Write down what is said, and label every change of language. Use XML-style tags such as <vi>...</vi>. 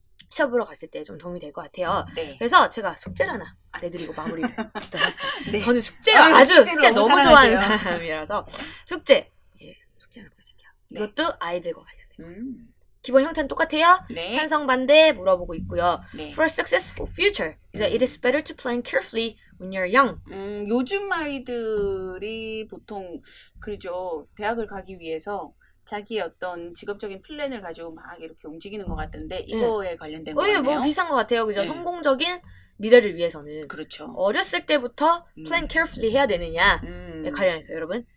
<ko>시험으로 갔을 때 좀 도움이 될 것 같아요. 네. 그래서 제가 숙제를 하나 내드리고 마무리를 부탁드립니다. 네. 저는 숙제를 아주 숙제 너무 좋아하는 사람이라서 숙제 예, 숙제 하나 보여드릴게요. 네. 이것도 아이들과 관련된 기본 형태는 똑같아요. 네. 찬성 반대 물어보고 있고요. 네.</ko> <en>For a successful future, it is better to plan carefully when you're young.</en> <ko>요즘 아이들이 보통 그렇죠 대학을 가기 위해서 자기의 어떤 직업적인 플랜을 가지고 막 이렇게 움직이는 것 같은데 이거에 네. 관련된 거네요. 뭐 비슷한 것 같아요. 그죠? 네. 성공적인 미래를 위해서는 그렇죠. 어렸을 때부터</ko> <en>plan carefully</en> <ko>해야 되느냐에 관련해서 여러분</ko>